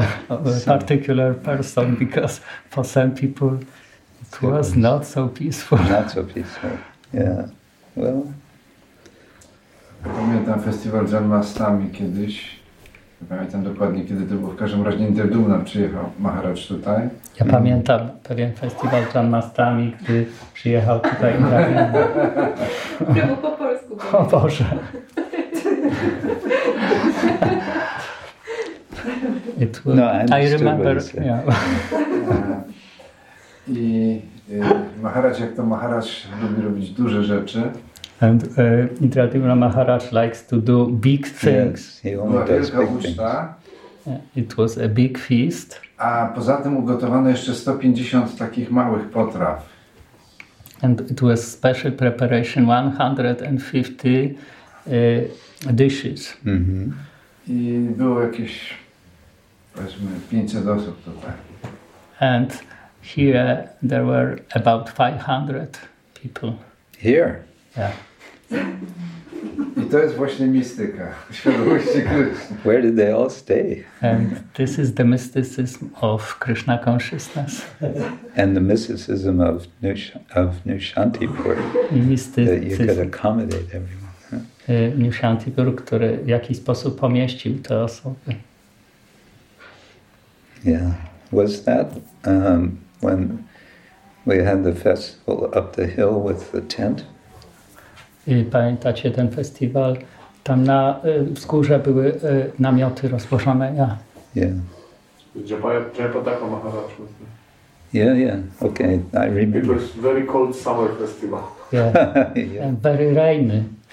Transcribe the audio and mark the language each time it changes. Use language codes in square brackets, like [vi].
[en] Of a particular person, because for some people it was not so peaceful. Not so peaceful. Yeah. Well. [pl] Pamiętam festiwal Janmashtami kiedyś. Nie pamiętam dokładnie kiedy to było. W każdym razie Nindirdumna przyjechał Maharaj tutaj. Ja pamiętam pewien festiwal Janmashtami, gdy przyjechał tutaj. To było po polsku. O Boże. [en] It was, no, I remember. Yeah. [pl] I Maharaj, jak to Maharaj, lubi robić duże rzeczy. [en] And Indradimra Maharaj likes to do big things. Yes, he only does big things. It was a big feast. [pl] A poza tym ugotowano jeszcze 150 takich małych potraw. [en] And it was special preparation, 150 dishes. Mm-hmm. [pl] I było jakieś, powiedzmy, 500 osób tutaj. [en] And here there were about 500 people. Here? Yeah. [pl] I to jest właśnie mistyka, świadomości Krishna. [en] Where did they all stay? And this is the mysticism of Krishna consciousness. And the mysticism of New Shantipur. That you could accommodate everyone. [pl] New Shantipur, który w jakiś sposób pomieścił te osoby. [en] Yeah. Was that when we had the festival up the hill with the tent? [pl] Pamiętacie ten festiwal? Tam na wzgórze były namioty rozłożone, ja. [en] Yeah. Jepataka Maharaj. Yeah, yeah, okay, I remember. It was very cold summer festival. Yeah, yeah. And very rainy.